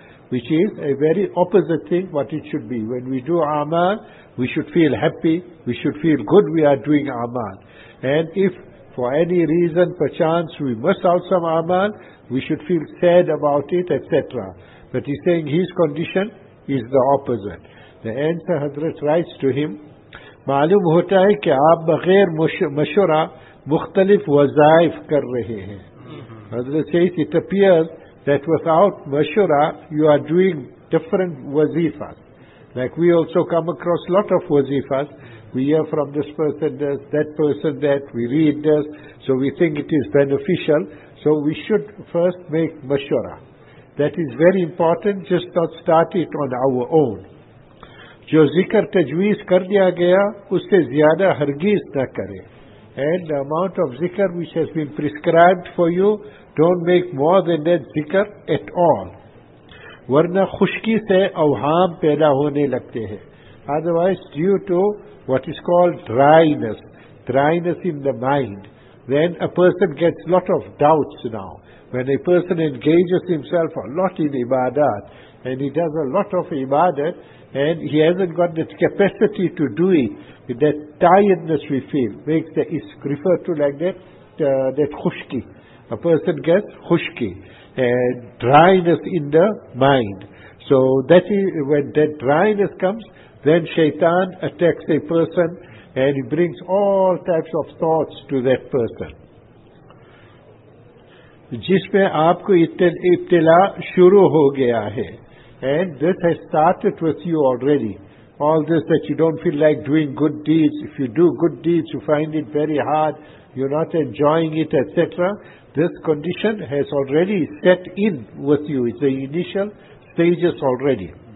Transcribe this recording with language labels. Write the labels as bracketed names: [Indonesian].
[English] Which is a very opposite thing what it should be. When we do amal, we should feel happy, we should feel good we are doing amal. And if for any reason, perchance, we miss out some amal, we should feel sad about it, etc. But he's saying his condition is the opposite. The answer Hazrat writes to him, [Urdu] معلوم ہوتا ہے کہ آپ بغیر مشورہ مختلف وظائف کر رہے ہیں. [English] حضرت سید it appears that without مشورہ you are doing different وظیفات. Like we also come across a lot of وظیفات. We hear from this person this, that person that, we read this, so we think it is beneficial. So we should first make مشورہ. That is very important, just not start it on our own. [Urdu] جو ذکر تجویز کر دیا گیا اس سے زیادہ ہرگز نہ کرے. [English] And the amount of ذکر which has been prescribed for you, don't make more than that ذکر at all. [Urdu] ورنہ خشکی سے اوہام پیدا ہونے لگتے ہیں. [English] Otherwise, due to what is called dryness in the mind, then a person gets a lot of doubts now. When a person engages himself a lot in ibadat, and he does a lot of ibadat, and he hasn't got the capacity to do it, that tiredness we feel, makes the isk, referred to like that, that khushki. A person gets khushki, dryness in the mind. So that is, when that dryness comes, then shaitan attacks a person, and he brings all types of thoughts to that person. [Urdu] جس میں آپ کو ابتلا شروع ہو گیا ہے. [English] And this has started with you already. All this that you don't feel like doing good deeds. If you do good deeds, you find it very hard. You're not enjoying it, etc. This condition has already set in with you. It's the initial stages already.